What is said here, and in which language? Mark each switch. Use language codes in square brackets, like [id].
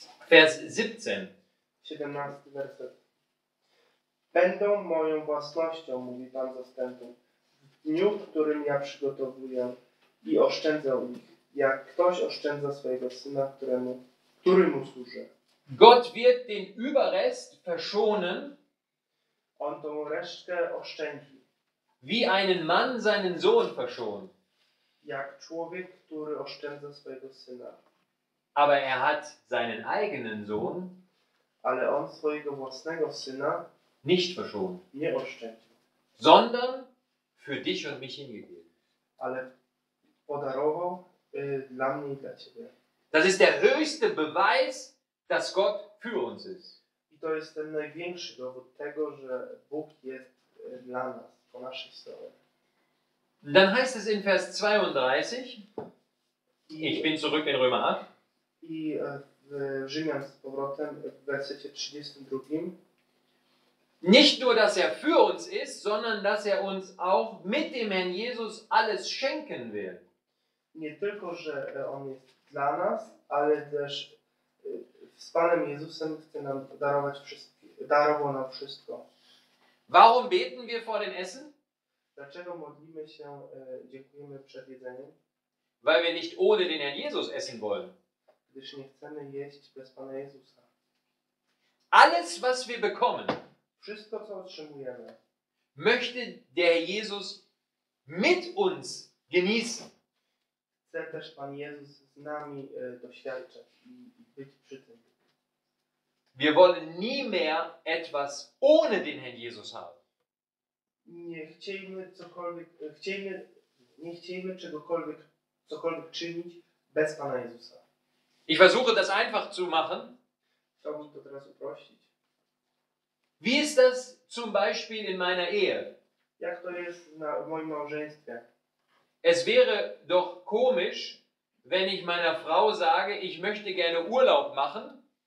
[de] Vers 17. [pl] 17 werset. Będą moją własnością, mówi Pan zastępu. W dniu, w którym ja przygotowuję i oszczędzę ich, jak ktoś oszczędza swojego syna, któremu służy. [de] Gott wird den Überrest verschonen. [pl] On tą resztkę oszczędzi. [de] Wie einen Mann seinen Sohn verschont. [pl] Jak człowiek, który oszczędza swojego syna. [de] Aber er hat seinen eigenen Sohn, [pl] ale on swojego własnego syna [de] nicht verschont. [pl] Nie oszczędził. [de] Sondern für dich und mich hingegeben. [pl] Ale podarował dla mnie i dla ciebie. [de] Das ist der höchste Beweis, dass Gott für uns ist. [pl] I to jest ten największy dowód tego, że Bóg jest dla nas. [de] Dann heißt es in Vers 32, ich bin zurück in Römer 8. [pl] I w Rzymian z powrotem w wersecie 32. [de] Nicht nur, dass er für uns ist, sondern dass er uns auch mit dem Herrn Jesus alles schenken will. [pl] Nie tylko, że on jest dla nas, ale też z Panem Jezusem chce nam darować darował nam wszystko. [de] Warum beten wir vor dem Essen? [pl] Dlaczego modlimy się, dziękujemy przed jedzeniem? [de] Weil wir nicht ohne den Herrn Jesus essen wollen. [pl] Gdyż nie chcemy jeść bez Pana Jezusa. [de] Alles, was wir bekommen, [pl] wszystko, co otrzymujemy, [de] möchte der Jesus mit uns genießen. [pl] Chce też Pan Jezus z nami doświadczać i być przy tym. [de] Wir wollen nie mehr etwas ohne den Herrn Jesus haben. [pl] Nie chcielibyśmy cokolwiek, nie chcielibyśmy czegokolwiek, cokolwiek czynić bez Pana Jezusa. [de] Ich versuche das einfach zu machen. [pl] Chciałbym to teraz uprościć. [de] Wie ist das zum Beispiel in meiner Ehe? [pl] Jak to jest w moim małżeństwie? [de] Es wäre doch komisch, wenn ich meiner Frau sage, ich möchte gerne Urlaub machen.